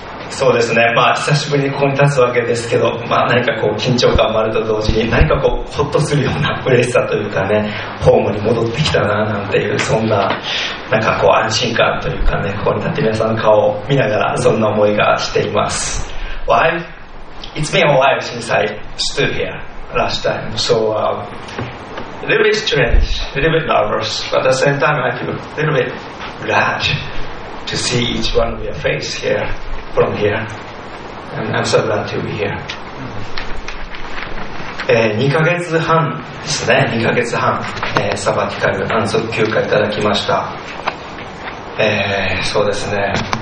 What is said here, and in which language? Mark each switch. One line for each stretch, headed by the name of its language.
Japanese: そうですね、まあ、久しぶりにここに立つわけですけど、まあ、何かこう緊張感もあると同時に何かこうホッとするような嬉しさというかね、ホームに戻ってきたななんていう、そんな、 なんかこう安心感というかね、ここに立って皆さんの顔を見ながらそんな思いがしています。
English: Why? It's been a while since I stood here last time, so a little bit strange, a little bit nervous, but at the same time I feel a little bit glad to see each one of your face here. From here, and I'm so glad to be here.
Japanese: 2ヶ月半ですね。 2ヶ月半、サバティカル安息休暇いただきました。そうですね。